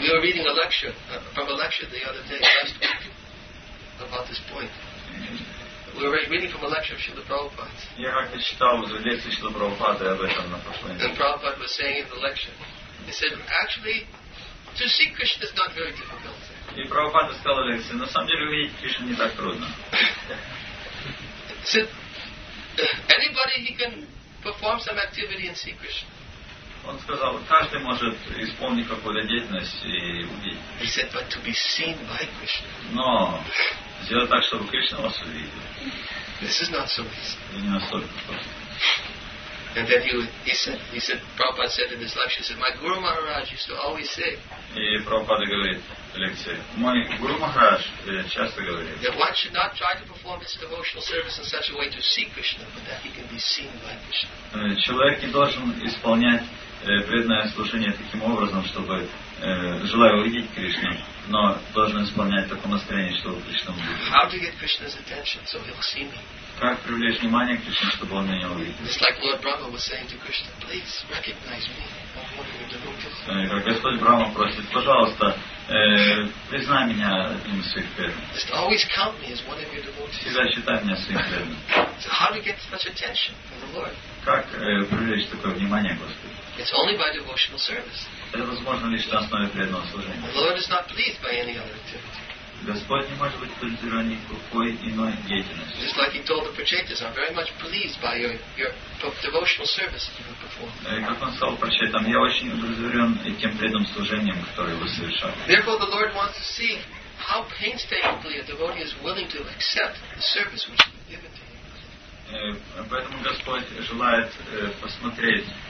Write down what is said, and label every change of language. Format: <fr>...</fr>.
<en>We were reading a lecture from a lecture the other day last week about this point. We were reading from a lecture of Srila Prabhupada.</en> <ru>Я как-то читал из лекции Шрилы Прабхупады об этом на прошлой неделе.</ru> <en>And Prabhupada was saying in the lecture, he said, actually, to see Krishna is not very difficult.</en> <ru>И Прабхупада сказал в лекции, на самом деле увидеть Кришну не так трудно.</ru> <en>Anybody he can perform some activity and see Krishna.</en> <ru>Он сказал, каждый может исполнить какую-то деятельность и увидеть.</ru> <en>He said, but to be seen by Krishna.</en> <ru>Но сделать так, чтобы Кришна вас увидел.</ru> <en>This is not so easy.</en> <ru>Не настолько просто.</ru> <en>And then he said, Prabhupada said in this lecture, he said, my Guru Maharaj used to always say.</en> <ru>И Прабхупада говорит в лекции, мой Гуру Махарадж часто говорит.</ru> <en>That one should not try to perform his devotional service in such a way to see Krishna, but that he can be seen by Krishna.</en> <ru>Человек не должен исполнять преданное служение таким образом, чтобы желая увидеть Кришну, но должен исполнять такое настроение, чтобы Кришна увидел.</ru> <en>How to get Krishna's attention so he'll see me?</en> <ru>Как привлечь внимание к Кришне, чтобы он меня увидел?</ru> <en>It's like Lord Brahma was saying to Krishna, please recognize me. I'm one of your devotees.</en> <ru>Как Господь Брама просит, пожалуйста, признай меня одним из своих преданных.</ru> <en>Just always count me as one of your devotees.</en> <ru>Всегда считай меня своим преданным.</ru> <en>So how to get such attention from the Lord?</en> <ru>Как привлечь такое внимание к Господу?</ru> <en>It's only by devotional service.</en> <ru>Это возможно лишь на основе преданного служения.</ru> <en>The Lord is not pleased by any other activity.</en> <ru>Господь не может быть удовлетворен никакой иной деятельностью.</ru> <en>Just like he told the Purchases, I'm very much pleased by your devotional service that you have performed.</en> <ru>Как он сказал Purchases, я очень удовлетворен тем преданным служением, которое вы совершали.</ru> <en>Therefore, the Lord wants to see how painstakingly a devotee is willing to accept the service which has been given to him.</en> <ru>Поэтому Господь желает посмотреть.</ru>